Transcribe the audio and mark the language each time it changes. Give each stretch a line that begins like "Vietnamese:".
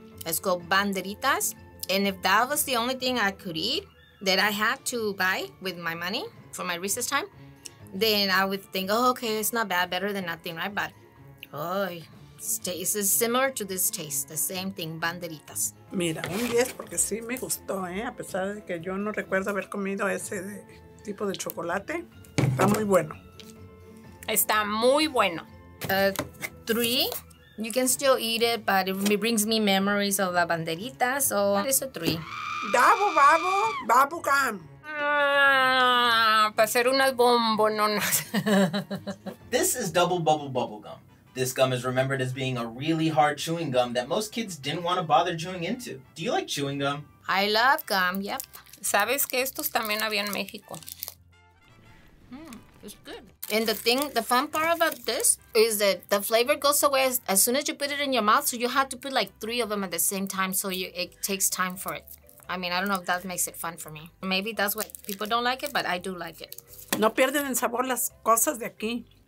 English: It's called banderitas. And if that was the only thing I could eat that I had to buy with my money for my recess time, then I would think, oh, okay, it's not bad, better than nothing, right? But, oh, it's similar to this taste, the same thing, banderitas.
Spanish: Mira, un 10 porque sí me gustó, a pesar de que yo no recuerdo haber comido ese tipo de chocolate. Está muy bueno. Está muy bueno.
English: 3, you can still eat it, but it brings me memories of la banderita, so what is a 3? Babu, babu, babu gum.
Spanish: Para hacer unas bombononas.
English: This is double bubble bubble gum. This gum is remembered as being a really hard chewing gum that most kids didn't want to bother chewing into. Do you like chewing gum? I love gum, yep.
Spanish: ¿Sabes que estos también había en México?
English: It's good. And the fun part about this is that the flavor goes away as soon as you put it in your mouth, so you have to put like 3 of them at the same time, so it takes time for it. I mean, I don't know if that makes it fun for me. Maybe that's why people don't like it, but I do like it.
Spanish: No pierden el sabor las cosas de aquí.